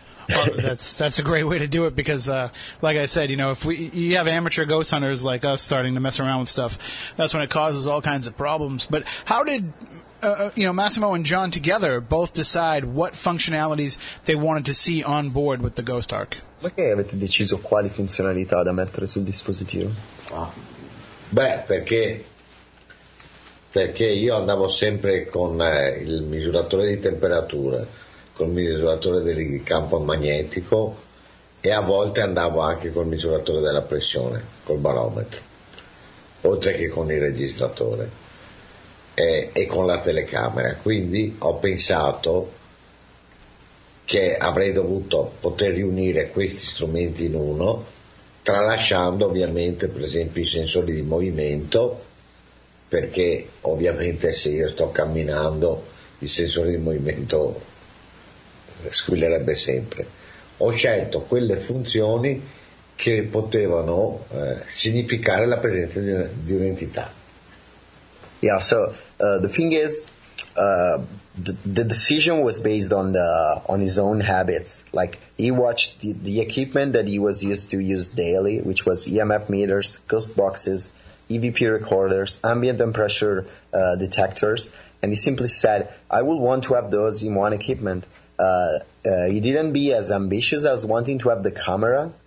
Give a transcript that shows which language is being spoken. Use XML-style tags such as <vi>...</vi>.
<en>Well, that's a great way to do it because, like I said, you know, if you have amateur ghost hunters like us starting to mess around with stuff, that's when it causes all kinds of problems. But how did, Massimo and John together both decide what functionalities they wanted to see on board with the GhostArk?</en> <it>Perché avete deciso quali funzionalità da mettere sul dispositivo? Beh, perché io andavo sempre con il misuratore di temperatura, col misuratore del campo magnetico e a volte andavo anche col misuratore della pressione, col barometro, oltre che con il registratore e con la telecamera. Quindi ho pensato che avrei dovuto poter riunire questi strumenti in uno, tralasciando ovviamente per esempio i sensori di movimento, perché ovviamente se io sto camminando il sensore di movimento squillerebbe sempre. Ho scelto quelle funzioni che potevano significare la presenza di un'entità.</it> <en>Yeah, so the thing is, the decision was based on his own habits. Like, he watched the equipment that he was used to use daily, which was EMF meters, ghost boxes, EVP recorders, ambient and pressure detectors, and he simply said, I will want to have those in one equipment. He didn't be as ambitious as wanting to have the camera</en>